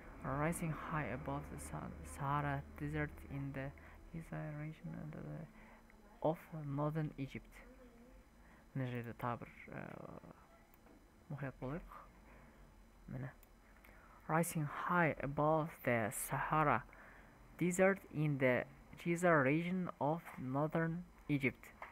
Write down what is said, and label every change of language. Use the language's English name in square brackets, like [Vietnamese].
[English] Rising high above the Sahara desert in the Giza region of northern Egypt. [Kazakh] Міне жерде тағы бір мұқият болайық. Міне. [English] Rising high above the Sahara desert in the Giza region of northern Egypt.